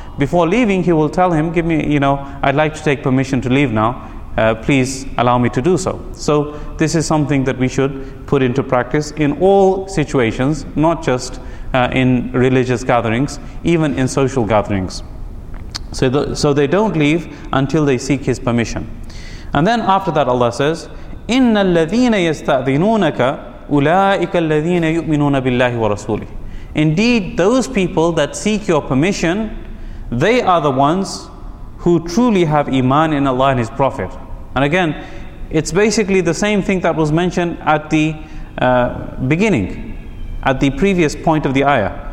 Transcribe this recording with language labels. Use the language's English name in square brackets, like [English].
[English] Before leaving, he will tell him, give me, I'd like to take permission to leave now. Please allow me to do so. So this is something that we should put into practice in all situations, not just in religious gatherings, even in social gatherings. So they don't leave until they seek his permission. And then after that, Allah says, [Arabic] إِنَّ الَّذِينَ يَسْتَأْذِنُونَكَ أُولَٰئِكَ الَّذِينَ يُؤْمِنُونَ بِاللَّهِ وَرَسُولِهِ. [English] Indeed, those people that seek your permission, they are the ones who truly have iman in Allah and His Prophet. And again, it's basically the same thing that was mentioned at the beginning, at the previous point of the ayah.